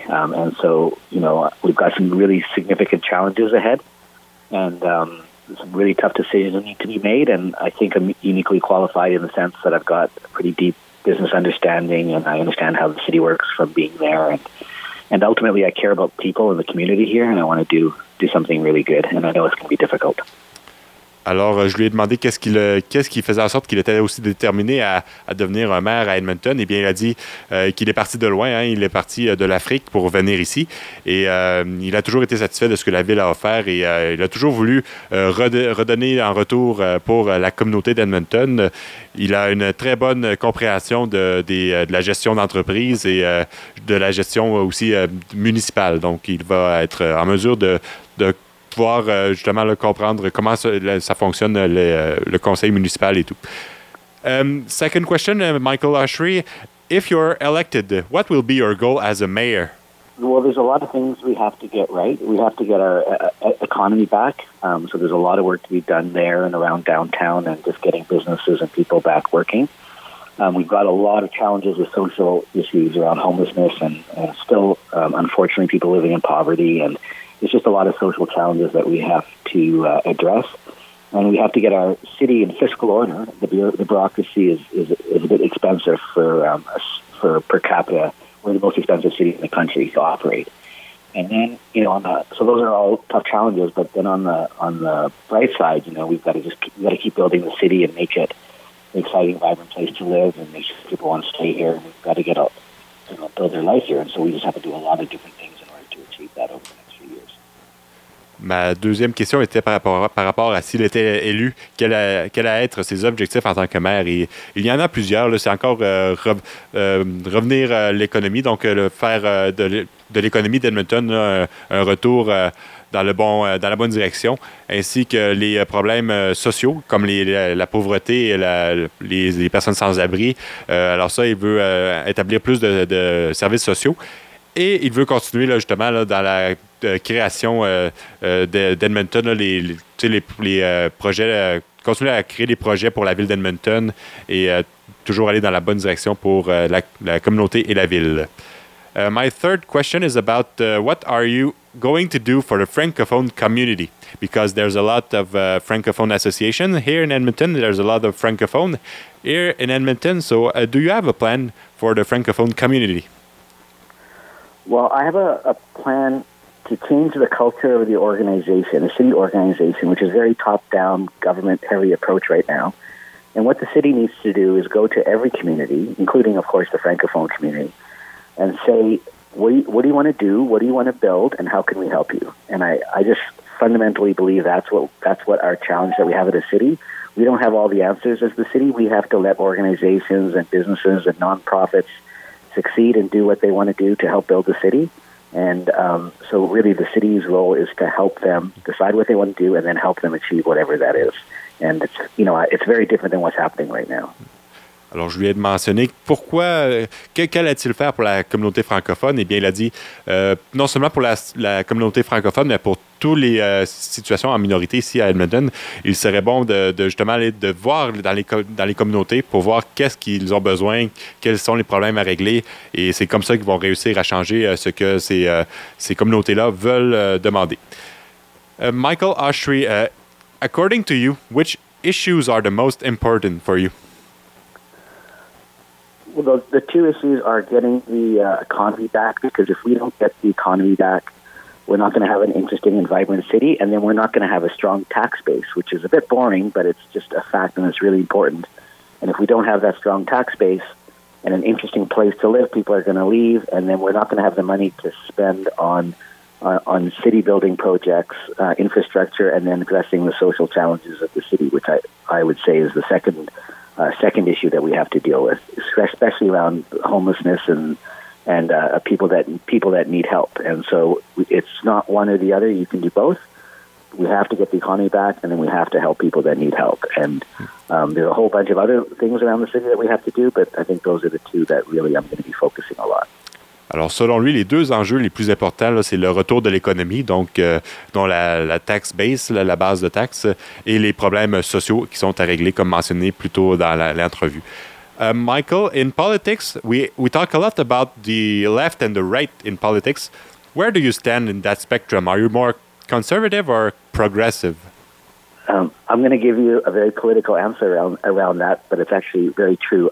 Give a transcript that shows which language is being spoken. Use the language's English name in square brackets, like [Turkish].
[English] And so, you know, we've got some really significant challenges ahead, and some really tough decisions that need to be made. And I think I'm uniquely qualified in the sense that I've got a pretty deep business understanding, and I understand how the city works from being there. And ultimately, I care about people in the community here, and I want to do something really good. And I know it's going to be difficult. [French] Alors, je lui ai demandé qu'est-ce qui faisait en sorte qu'il était aussi déterminé à devenir un maire à Edmonton. Eh bien, il a dit qu'il est parti de loin, hein, il est parti de l'Afrique pour venir ici. Et il a toujours été satisfait de ce que la ville a offert et il a toujours voulu redonner en retour pour la communauté d'Edmonton. Il a une très bonne compréhension de la gestion d'entreprise et de la gestion aussi municipale. Donc, il va être en mesure de pouvoir justement comprendre comment ça fonctionne le conseil municipal et tout. [English] Second question, Michael Oshry, if you're elected, what will be your goal as a mayor? Well, there's a lot of things we have to get right. We have to get our economy back. So there's a lot of work to be done there and around downtown and just getting businesses and people back working. We've got a lot of challenges with social issues around homelessness and still, unfortunately, people living in poverty, and it's just a lot of social challenges that we have to address, and we have to get our city in fiscal order. The bureaucracy is a bit expensive for per capita. We're the most expensive city in the country to operate. And then, you know, those are all tough challenges. But then on the bright side, you know, we've got to keep building the city and make it an exciting, vibrant place to live, and make sure people want to stay here. And we've got to get out, you know, build their life here. And so we just have to do a lot of different things in order to achieve that over there. [French] Ma deuxième question était par rapport à s'il était élu, quels allaient être ses objectifs en tant que maire. Et il y en a plusieurs. Là, c'est encore revenir à l'économie, donc faire de l'économie d'Edmonton là, un retour dans la bonne direction, ainsi que les problèmes sociaux, comme la pauvreté et les personnes sans-abri. Alors ça, il veut établir plus de services sociaux. Et il veut continuer là, justement là, dans la création d'Edmonton, là, les projets, continuer à créer des projets pour la ville d'Edmonton et toujours aller dans la bonne direction pour la communauté et la ville. [English] My third question is about what are you going to do for the Francophone community? Because there's a lot of Francophone association here in Edmonton. There's a lot of Francophone here in Edmonton. So do you have a plan for the Francophone community? Well, I have a plan to change the culture of the organization, the city organization, which is very top-down, government-heavy approach right now. And what the city needs to do is go to every community, including, of course, the Francophone community, and say, what do you want to do, what do you want to build, and how can we help you? And I just fundamentally believe that's what our challenge that we have as a city. We don't have all the answers as the city. We have to let organizations and businesses and nonprofits succeed and do what they want to do to help build the city. And so really the city's role is to help them decide what they want to do and then help them achieve whatever that is. And it's, you know, it's very different than what's happening right now. [French] Alors, je lui ai mentionné pourquoi, qu'allait-il faire pour la communauté francophone? Eh bien, il a dit, non seulement pour la communauté francophone, mais pour toutes les situations en minorité ici à Edmonton, il serait bon de justement aller de voir dans les communautés pour voir qu'est-ce qu'ils ont besoin, quels sont les problèmes à régler. Et c'est comme ça qu'ils vont réussir à changer ce que ces communautés-là veulent demander. [English] Michael Oshry, according to you, which issues are the most important for you? Well, the two issues are getting the economy back, because if we don't get the economy back, we're not going to have an interesting and vibrant city, and then we're not going to have a strong tax base, which is a bit boring, but it's just a fact and it's really important. And if we don't have that strong tax base and an interesting place to live, people are going to leave, and then we're not going to have the money to spend on city building projects, infrastructure, and then addressing the social challenges of the city, which I would say is the second issue that we have to deal with, especially around homelessness and people that need help. And so it's not one or the other. You can do both. we have to get the economy back, and then we have to help people that need help. And there's a whole bunch of other things around the city that we have to do, but I think those are the two that really I'm going to be focusing a lot. [French] Alors, selon lui, les deux enjeux les plus importants, là, c'est le retour de l'économie, donc dont la tax base, la base de taxes, et les problèmes sociaux qui sont à régler, comme mentionné plus tôt dans l'entrevue. [English] Michael, in politics, we talk a lot about the left and the right in politics. Where do you stand in that spectrum? Are you more conservative or progressive? I'm going to give you a very political answer around that, but it's actually very true.